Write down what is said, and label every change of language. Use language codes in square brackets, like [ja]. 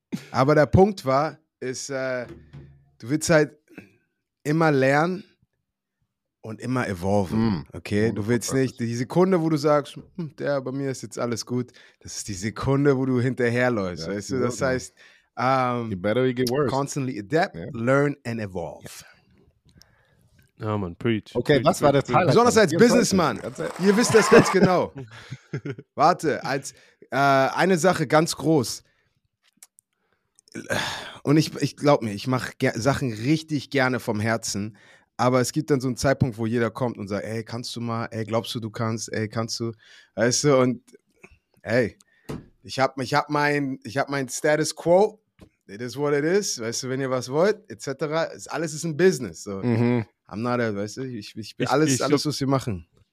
[de] Aber der Punkt war, du willst halt immer lernen und immer evolven. Mm. Okay? Du willst nicht die Sekunde, wo du sagst, bei mir ist jetzt alles gut. Das ist die Sekunde, wo du hinterherläufst. Ja, weißt du? Das heißt, [en] you better you get worse. Constantly adapt, learn and evolve. Yeah. Oh man, preach. Okay, preach, [de] was war das? Besonders als Businessman. Ihr wisst das ganz genau. Warte, als eine Sache ganz groß. Und ich glaub mir, ich mache Sachen richtig gerne vom Herzen. Aber es gibt dann so einen Zeitpunkt, wo jeder kommt und sagt, ey, kannst du mal, ey, glaubst du, du kannst, ey, kannst du, weißt du, und ey, ich hab mein Status Quo, [en] it is what it is, [de] weißt du, wenn ihr was wollt, etc., alles ist ein Business, so, [en] I'm not a, [de] weißt du, ich bin alles, was wir machen.